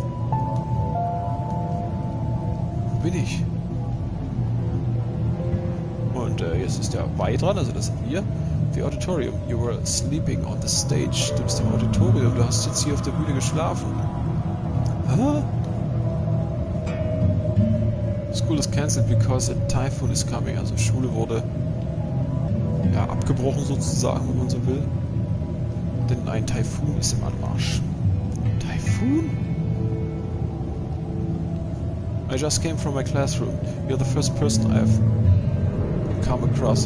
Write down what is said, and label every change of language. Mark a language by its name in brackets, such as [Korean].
[German] Wo bin ich? Und jetzt ist der Wei dran, also das sind wir. The Auditorium. [English] You were sleeping on the stage. [German] Du bist im Auditorium. Du hast jetzt hier auf der Bühne geschlafen. Hä? [English] School is cancelled because a typhoon is coming. [German] Also Schule wurde ja abgebrochen sozusagen, wenn man so will. Denn ein Typhoon ist im Anmarsch. Typhoon? [English] I just came from my classroom. You're the first person I've kam across.